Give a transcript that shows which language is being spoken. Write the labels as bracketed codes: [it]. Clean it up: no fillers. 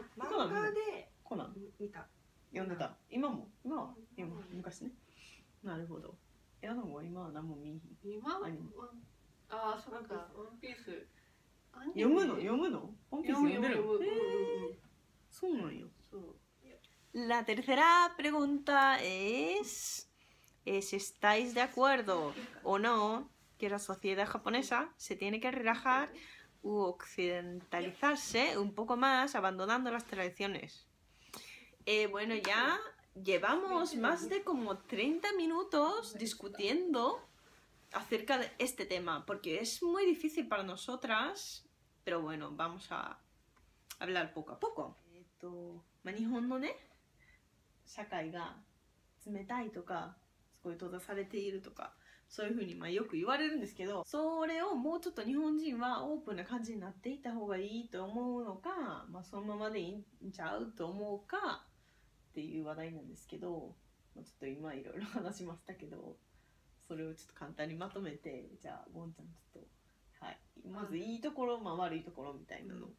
[ja] が、漫画でコナン見た、読んでた、今も、今昔ね、なるほど、いやでも今は何も見ひん、今は、ああそうか、ワンピース読むの、読むの、ワンピース読める、読む、そうなんよ。そう、 [es] ラテルセラープレゴンタエス、si estáis de acuerdo o no que la sociedad japonesa se tiene que relajar u occidentalizarse un poco más abandonando las tradiciones. Bueno, ya llevamos más de como 30 minutos discutiendo acerca de este tema, porque es muy difícil para nosotras, pero bueno, vamos a hablar poco a poco. [ja] ma, 日本のね、社会が冷たいとか、こう閉ざされているとか、そういうふうにまあよく言われるんですけど、それをもうちょっと日本人はオープンな感じになっていた方がいいと思うのか、まあ、そのままでいいんちゃうと思うかっていう話題なんですけど、ちょっと今いろいろ話しましたけど、それをちょっと簡単にまとめて、じゃあゴンちゃんちょっと、はい、まずいいところ、まあ、悪いところみたいなの、